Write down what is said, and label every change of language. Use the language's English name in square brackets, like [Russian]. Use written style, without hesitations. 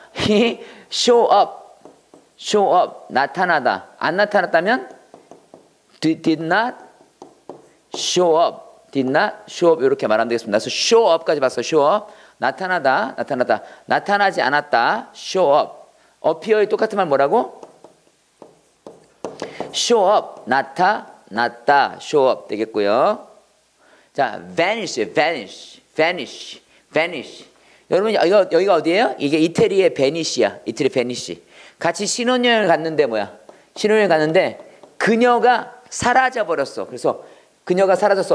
[English] He show up. Show up. [Korean] 나타나다. 안 나타났다면? [English] Did not show up. Did not show up. [Korean] 이렇게 말하면 되겠습니다. 그래서 show up까지 봤어. [English] Show up. [Korean] 나타나다. 나타나다. 나타나지 않았다. Show up. Appear의 똑같은 말 뭐라고? show up, 나타났다, show up 되겠고요. [English] 자, vanish, vanish, vanish, vanish. [Korean] 여러분, 여기가 어디예요? 이게 이태리의 베니시야, 이태리 베니시. 같이 신혼여행을 갔는데 뭐야? 신혼여행 갔는데 그녀가 사라져버렸어. 그래서 그녀가 사라졌어.